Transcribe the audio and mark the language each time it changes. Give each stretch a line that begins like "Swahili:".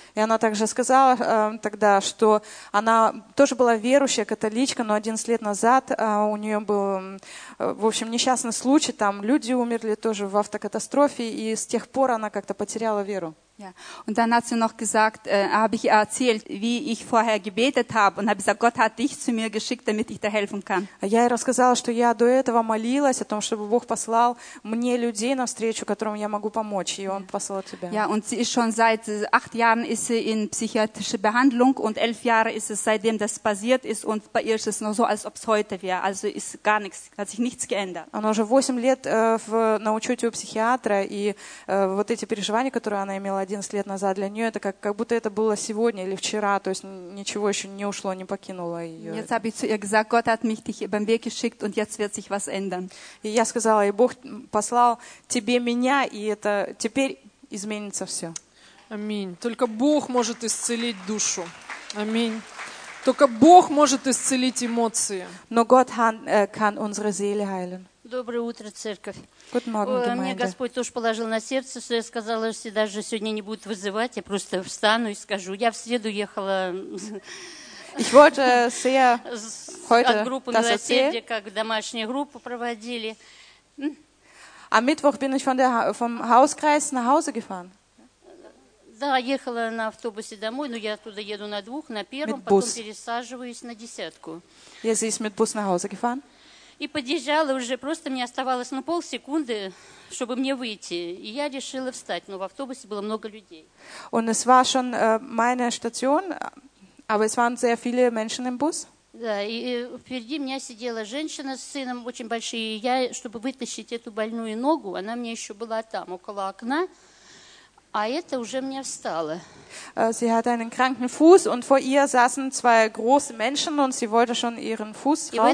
Russian: И она также сказала тогда, что она тоже была верующая, католичка, но 11 лет назад у нее был, в общем, несчастный случай, там люди умерли тоже в автокатастрофе, и с тех пор она как-то потеряла веру.
German: Ja. Und dann hat sie noch gesagt, habe ich erzählt, wie ich vorher gebetet habe und habe gesagt, Gott hat dich zu mir geschickt, damit ich dir helfen kann.
Russian: Я ей рассказала, что я до этого молилась о том, чтобы Бог послал мне людей навстречу, которым я могу помочь, и он послал тебя.
German: Ja, und sie ist schon seit 8 Jahren ist sie in psychiatrische Behandlung und 11 Jahre ist es seitdem das passiert ist und bei ihr ist es noch so, als ob es heute wäre. Also ist gar nichts, hat sich nichts geändert.
Russian: Она уже 8 лет на учете у психиатра и вот эти переживания, которые она имела 11 лет назад, для нее это как будто это было сегодня или вчера, то есть ничего еще не ушло, не покинуло ее.
German: Jetzt habe ich zu ihr gesagt, Gott hat mich dich beim Weg geschickt und jetzt wird sich was ändern.
Russian: И я сказала, и Бог послал тебе меня, и это теперь изменится все. Аминь. Только Бог может исцелить душу. Аминь. Только Бог может исцелить эмоции. Но
German: Gott kann unsere Seele heilen.
Russian: Доброе утро, церковь.
German: Guten Morgen, Gemeinde.
Russian: Мне Господь тоже положил на сердце, что я сказала, что даже сегодня не будут вызывать, я просто встану и скажу. Я в среду ехала от группы «Милосердия», как домашнюю группу проводили.
German: Am Mittwoch bin ich vom Hauskreis nach Hause gefahren.
Russian: Да, ехала на автобусе домой, но я оттуда еду на двух, на первом, потом пересаживаюсь на десятку. Я здесь
German: mit Bus nach Hause gefahren.
Russian: И подъезжала уже, просто мне оставалось полсекунды, чтобы мне выйти. И я решила встать, но в автобусе было много людей.
German: Und es war schon meine Station, aber es waren sehr viele Menschen im Bus.
Russian: Да, и впереди меня сидела женщина с сыном, очень большие. И я, чтобы вытащить эту больную ногу, она мне еще была там, около окна, а это уже мне встало.
German: Sie hatte einen kranken Fuß und vor ihr saßen zwei große Menschen und sie wollte schon ihren Fuß